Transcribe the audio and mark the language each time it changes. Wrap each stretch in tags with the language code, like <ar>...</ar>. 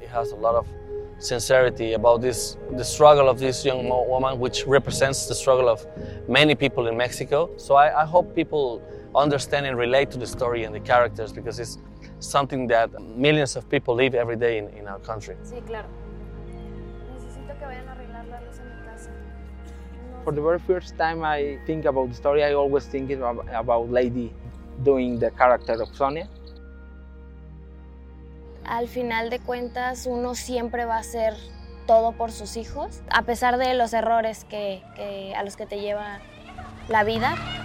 <en>It has a lot of sincerity about this, the struggle of this young woman, which represents the struggle of many people in Mexico. So I hope people understand and relate to the story and the characters, because it's something that millions of people live every day in our country.</en> <es>Sí, claro. Necesito que vayan a arreglar la luz en mi casa.</es> <en>For the very first time I think about the story, I always think about Lady doing the character of Sonia.</en> <es>Al final de cuentas, uno siempre va a hacer todo por sus hijos, a pesar de los errores que a los que te lleva la vida.</es>